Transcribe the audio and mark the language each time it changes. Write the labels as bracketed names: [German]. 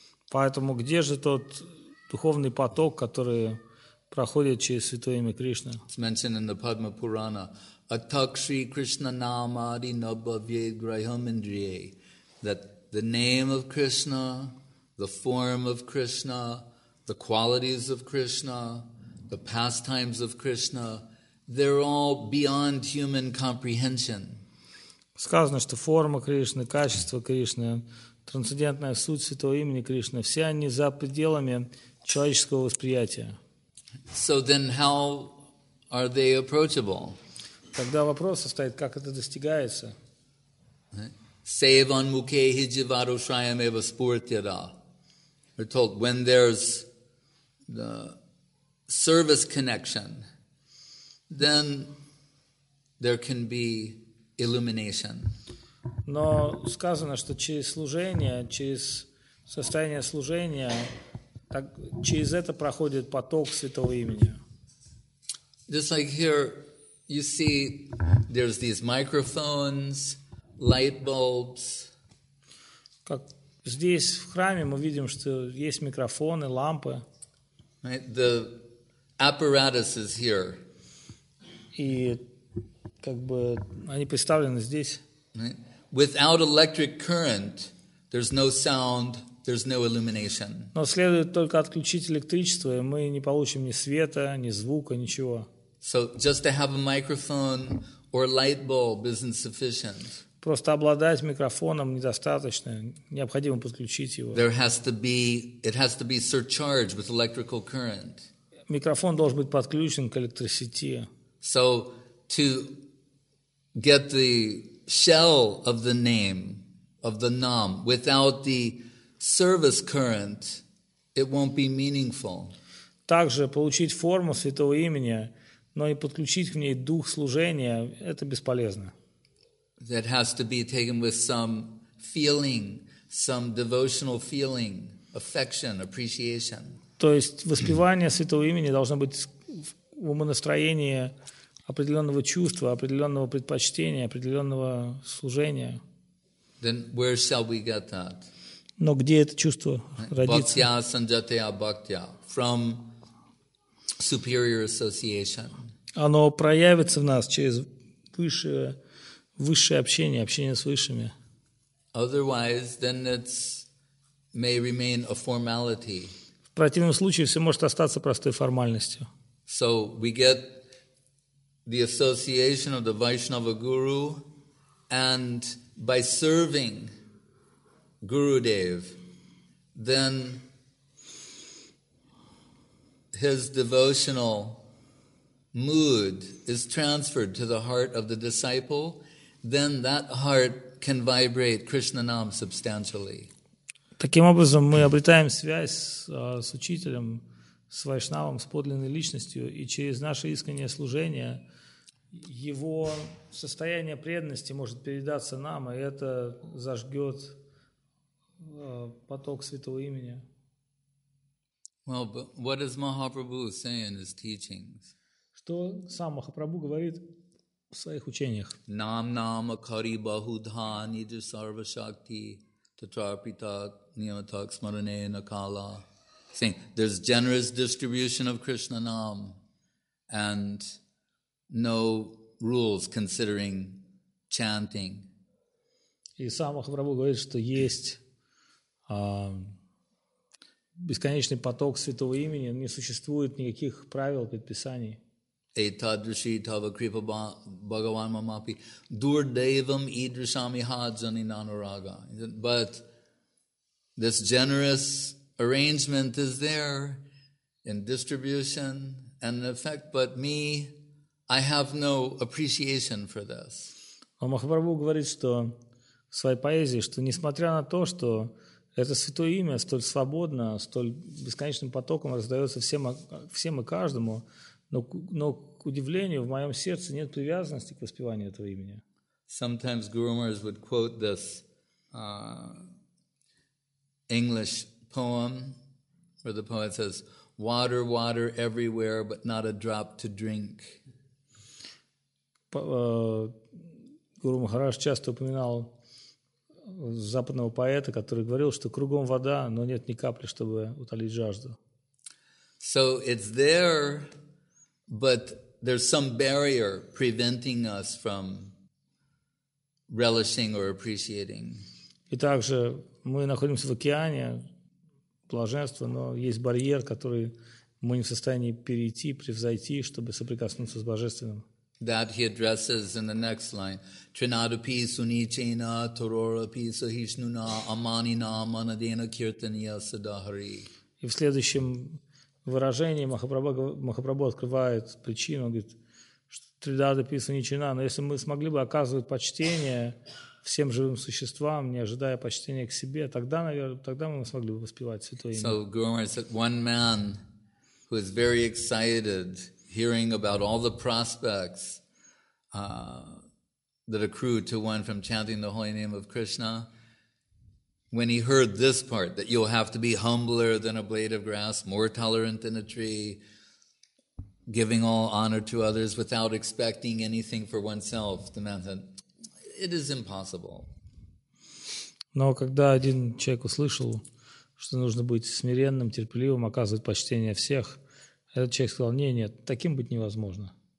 [Russian] Поэтому где же тот духовный поток, который проходит через святое имя Кришны? [English] It's mentioned in the Padma Purana, [Sanskrit] Atakshri Krishna Namadi Nabhavyed Graham Indriye, [English] that the name of Krishna, the form of Krishna, the qualities of Krishna, the pastimes of Krishna, they're all beyond human comprehension. [Russian] Сказано, что форма Кришны, качество Кришны, трансцендентная суть Святого имени Кришны, все они за пределами человеческого восприятия. [English] So then how are they approachable? [Russian] Тогда вопрос состоит, как это достигается? [Sanskrit] Sevan mukhe hijivaru shrayam eva spurtyada. [English] We're told when there's the service connection, then there can be illumination. [Russian] Но сказано, что через служение, через состояние служения, так, через это проходит поток Святого имени. [English] Just like here, you see, there's these microphones, light bulbs. [Russian] Как здесь в храме мы видим, что есть микрофоны, лампы. [English] Right? The apparatus is here. [Russian] И как бы они представлены здесь. [English] Right? Without electric current, there's no sound, there's no illumination. [Russian] Но следует только отключить электричество, и мы не получим ни света, ни звука, ничего. [English] So just to have a microphone or light bulb isn't sufficient. [Russian] Просто обладать микрофоном недостаточно, необходимо подключить его. [English] There has to be, it has to be surcharged with electrical current. [Russian] Микрофон должен быть подключен к электросети. [English] So to get the shell of the name of the nam without the service current, it won't be meaningful. [Russian] Также получить форму Святого имени, но не подключить к ней дух служения, это бесполезно. [English] That has to be taken with some feeling, some devotional feeling, affection, appreciation. [Russian] То есть воспевание Святого имени должно быть в умонастроении определенного чувства, определенного предпочтения, определенного служения. [English] Then where shall we get that? [Russian] Но где это чувство родится? [Sanskrit] Бхактия санджатая бхактия. [English] From superior association. [Russian] Оно проявится в нас через высшее, высшее общение, общение с высшими. [English] Otherwise, then it may remain a formality. [Russian] В противном случае все может остаться простой формальностью. [English] So we get the association of the Vaishnava Guru, and by serving Gurudev, then his devotional mood is transferred to the heart of the disciple, then that heart can vibrate Krishna Nam substantially. [Russian] Таким образом, мы обретаем связь с учителем, с Вайшнавом, с подлинной личностью, и через наше искреннее служение его состояние преданности может передаться нам, и это зажжет поток Святого имени. [English] Well, but what is Mahaprabhu saying in his teachings? [Russian] Что сам Махапрабху говорит в своих учениях? [Sanskrit] Нам нам акари бахудха ниджа сарва шакти татрапита ниматак смаране накала. [English] Saying, there's generous distribution of Krishna Nam and no rules considering chanting. [Russian] И сам Махапрабху говорит, что есть бесконечный поток Святого имени, не существует никаких правил, предписаний. [Sanskrit] Этадриши тава крипа бхагаван мамапи дурдевам идришами хаджани нанурага. [English] But this generous arrangement is there in distribution and in effect, but me, I have no appreciation for this. [Russian] Махапрабху говорит, что в своей поэзии, что несмотря на то, что это святое имя столь свободно, столь бесконечным потоком раздается всем и каждому, но к удивлению, в моем сердце нет привязанности к воспеванию этого имени. [English] Sometimes Guru Maharaj would quote this English poem, where the poet says, "Water, water everywhere, but not a drop to drink." [Russian] Гуру Махарадж часто упоминал западного поэта, который говорил, что кругом вода, но нет ни капли, чтобы утолить жажду. [English] So it's there, but there's some barrier preventing us from relishing or appreciating. [Russian] И также мы находимся в океане, блаженство, но есть барьер, который мы не в состоянии перейти, превзойти, чтобы соприкоснуться с Божественным. [English] That he addresses in the next line. [Sanskrit] Trinadupi sunichena tororapi sahishnuna amanina manadena kirtaniya sadahari. [Russian] И в следующем выражении Махапрабху открывает причину, говорит, что [Sanskrit] Тридадупи сунечена, [Russian] но если мы смогли бы оказывать почтение всем живым существам, не ожидая почтения к себе, тогда, наверное, тогда мы смогли бы воспевать святое имя. [English] So Guru Maharaj said, one man who is very excited hearing about all the prospects that accrue to one from chanting the holy name of Krishna, when he heard this part, that you'll have to be humbler than a blade of grass, more tolerant than a tree, giving all honor to others without expecting anything for oneself, the man said, it is impossible. [Russian] Но когда один человек услышал, что нужно быть смиренным, терпеливым, оказывать почтение всех, этот человек сказал, нет, таким быть невозможно.